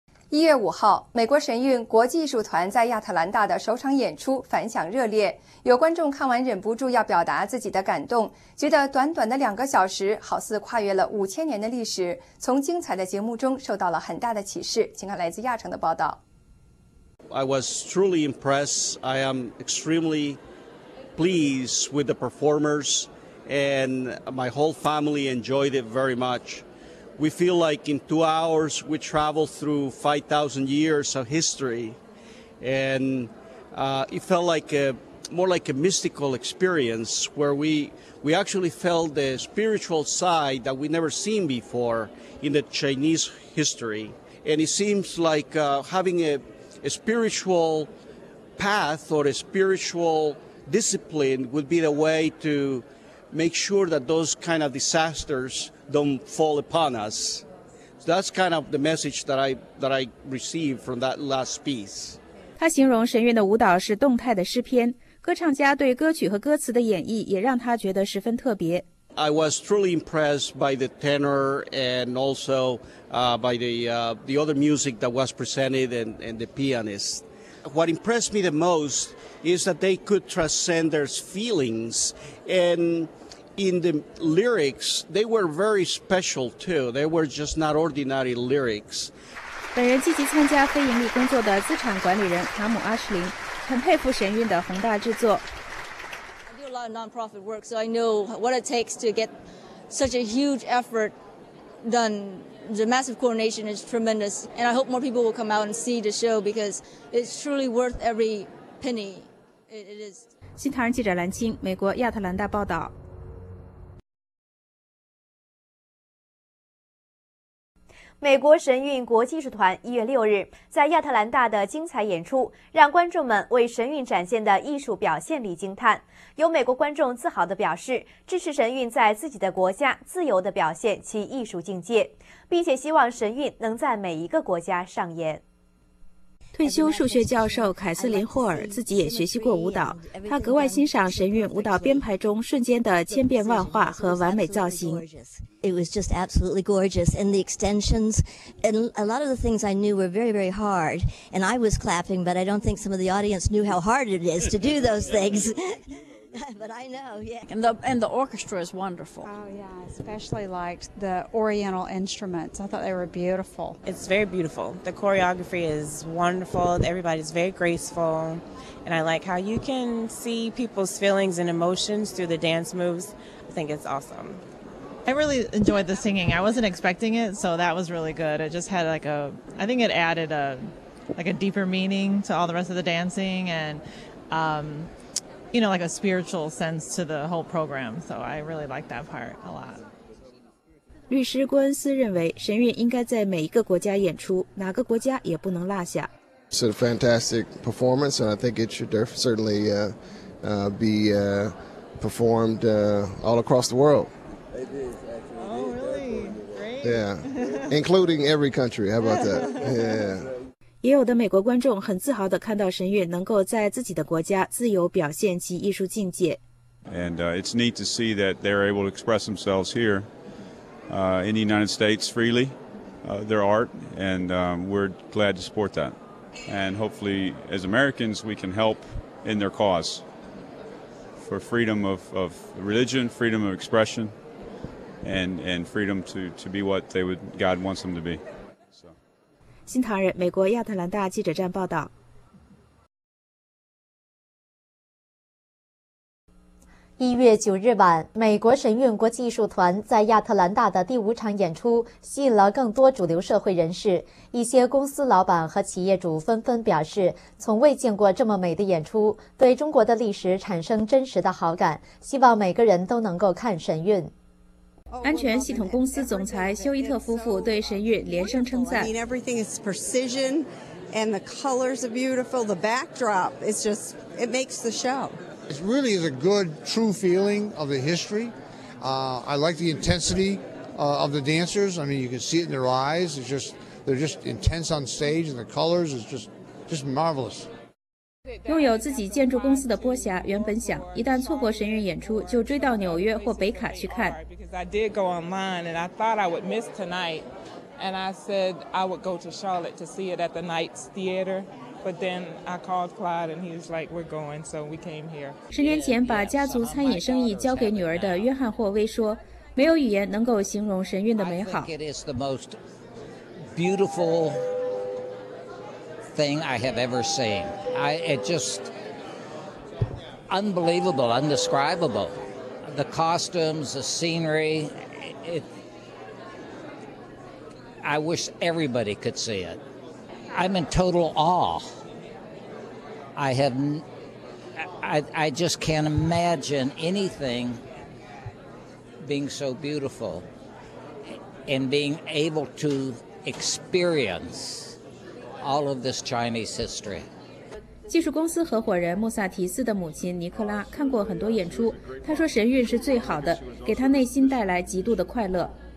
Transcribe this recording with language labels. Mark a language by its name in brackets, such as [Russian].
[Chinese] 1月5号，美国神韵国际艺术团在亚特兰大的首场演出反响热烈，有观众看完忍不住要表达自己的感动，觉得短短的2个小时好似跨越了5000年的历史，从精彩的节目中受到了很大的启示。请看来自亚城的报道。 [English] I was truly impressed. I am extremely pleased with the performers, and my whole family enjoyed it very much. We feel like in 2 hours we traveled through 5,000 years of history, and it felt like more like a mystical experience where we actually felt the spiritual side that we'd never seen before in the Chinese history. And it seems like having a spiritual path or a spiritual discipline would be the way to make sure that those kind of disasters don't fall upon us. So that's kind of the message that I received from that last piece. [Chinese] 他形容神韵的舞蹈是动态的诗篇，歌唱家对歌曲和歌词的演绎也让他觉得十分特别。 [English] I was truly impressed by the tenor and also by the other music that was presented and the pianist. What impressed me the most is that they could transcend their feelings. And in the lyrics, they were very special too. They were just not ordinary lyrics. [Chinese] 本人积极参加非盈利工作的资产管理人卡姆·阿什林很佩服神韵的宏大制作。 [English] A lot of nonprofit work, so I know what it takes to get such a huge effort done. The massive coordination is tremendous, and I hope more people will come out and see the show because it's truly worth every penny. It is. [Chinese] 新唐人记者蓝青，美国亚特兰大报道。美国神韵国际艺术团1月6日在亚特兰大的精彩演出，让观众们为神韵展现的艺术表现力惊叹。有美国观众自豪地表示，支持神韵在自己的国家自由地表现其艺术境界，并且希望神韵能在每一个国家上演。退休数学教授凯瑟琳·霍尔自己也学习过舞蹈，他格外欣赏神韵舞蹈编排中瞬间的千变万化和完美造型。 [English] It was just absolutely gorgeous, and the extensions, and a lot of the things I knew were very, very hard, and I was clapping, but I don't think some of the audience knew how hard it is to do those things. But I know, yeah. And the orchestra is wonderful. Oh yeah, I especially liked the oriental instruments. I thought they were beautiful. It's very beautiful. The choreography is wonderful. Everybody's very graceful. And I like how you can see people's feelings and emotions through the dance moves. I think it's awesome. I really enjoyed the singing. I wasn't expecting it, so that was really good. It just had I think it added a deeper meaning to all the rest of the dancing and, you know, like a spiritual sense to the whole program, so I really like that part a lot. [Chinese] 律师郭恩斯认为神韵应该在每一个国家演出，哪个国家也不能落下。 [English] It's a fantastic performance, and I think it should certainly be performed all across the world. Oh, really? Great. Yeah, including every country. How about that? Yeah. [Chinese] 也有的美国观众很自豪地看到神韵能够在自己的国家自由表现其艺术境界。 [English] And it's neat to see that they're able to express themselves here in the United States freely. their art, and we're glad to support that. And hopefully, as Americans, we can help in their cause for freedom of religion, freedom of expression, and freedom to be what they would God wants them to be. So. [Chinese] 新唐人，美国亚特兰大记者站报道。一月九日晚，美国神韵国际艺术团在亚特兰大的第五场演出吸引了更多主流社会人士。一些公司老板和企业主纷纷表示，从未见过这么美的演出，对中国的历史产生真实的好感，希望每个人都能够看神韵。安全系统公司总裁休伊特夫妇对神韵连声称赞。 [English] Everything is precision, and the colors are beautiful. The backdrop is just, it makes the show. It really is a good, true feeling of the history. I like the intensity of the dancers. I mean, you can see it in their eyes. It's just, they're just intense on stage, and the colors is just marvelous. [Chinese] 拥有自己建筑公司的波霞原本想，一旦错过神韵演出，就追到纽约或北卡去看。 [English] Because I did go online, and I thought I would miss tonight. And I said I would go to Charlotte to see it at the Knights Theater. But then I called Clyde and he was like, we're going, so we came here. [Chinese] 十年前把家族餐饮生意交给女儿的约翰霍威说，没有语言能够形容神韵的美好。 [English] I think it is the most beautiful thing I have ever seen. It just unbelievable, indescribable. The costumes, the scenery, I wish everybody could see it. I'm in total awe. I just can't imagine anything being so beautiful and being able to experience all of this Chinese history. [Chinese] 技术公司合伙人穆萨提斯的母亲尼克拉看过很多演出，她说神韵是最好的，给她内心带来极度的快乐。